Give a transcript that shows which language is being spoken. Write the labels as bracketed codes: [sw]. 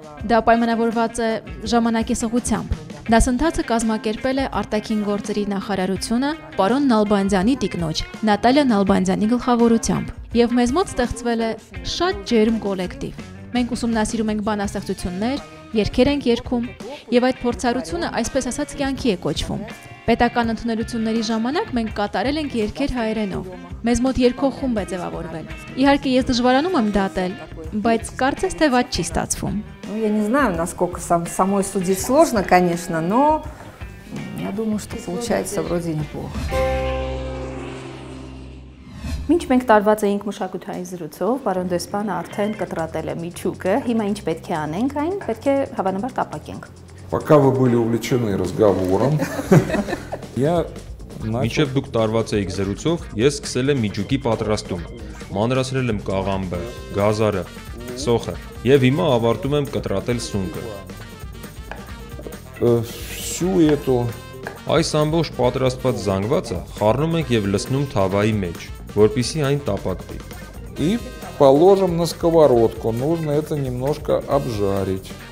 [hy] Դա պայմանավորված է ժամանակի սղությամբ։ Դասընթացը կազմակերպել է Արտաքին գործերի նախարարությունը, պարոն Նալբանդյանի տիկնոջ, Նատալիա Նալբանդյանի գլխավորությամբ, եւ մեզ մոտ ստեղծվել է շատ ջերմ կոլեկտիվ։ Մենք ուսումնասիրում ենք բանաստեղծություններ, երգեր ենք երգում, եւ այդ փորձառությունը, այսպես ասած, կյանքի է կոչվում։ Պետական ընդունելությունների ժամանակ մենք կատարել ենք երգեր հայերենով։ Մեզ մոտ երկխումբ է ձևավորվել։ Իհարկե ես դժվարանում եմ դատել, բայց կարծես թե ված չի ստացվում։ [ru] Я не знаю, насколько самой судить сложно, конечно, но я думаю, что получается вроде неплохо. [hy] Մինչ մենք տարված էինք մշակութային զրուցով, պարոն դեսպանը արդեն կտրատել է միջուկը, հիմա ինչ պետք է անենք, այն պետք է հավանաբար կապակենք։ [ru] Пока вы были увлечены разговором, я [hy] Մինչև դուք տարված էիք զրուցով, ես սկսել եմ միջուկի պատրաստում։ Մանրացրել եմ կաղամբը, գազարը, սոխը եւ հիմա ավարտում եմ կտրատել սունկը։ Այս ամբողջ պատրաստված զանգվածը խառնում ենք եւ լցնում թավայի մեջ, որպեսզի այն տապակվի։ [ru] И положим на сковородку, нужно это немножко обжарить։